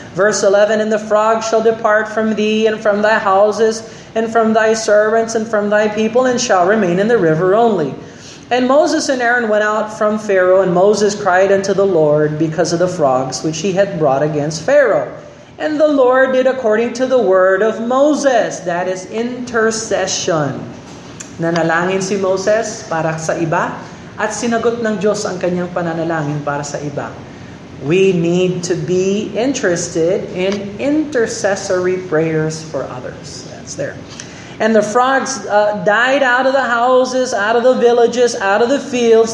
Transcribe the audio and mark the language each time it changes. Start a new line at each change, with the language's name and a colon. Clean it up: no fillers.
English: Verse 11, "And the frog shall depart from thee and from thy houses and from thy servants and from thy people and shall remain in the river only. And Moses and Aaron went out from Pharaoh, and Moses cried unto the Lord because of the frogs which he had brought against Pharaoh. And the Lord did according to the word of Moses." That is intercession.
Filipino: Nanalangin si Moses para sa iba, at sinagot ng Diyos ang kanyang pananalangin para sa iba.
English: We need to be interested in intercessory prayers for others. That's there. "And the frogs died out of the houses, out of the villages, out of the fields."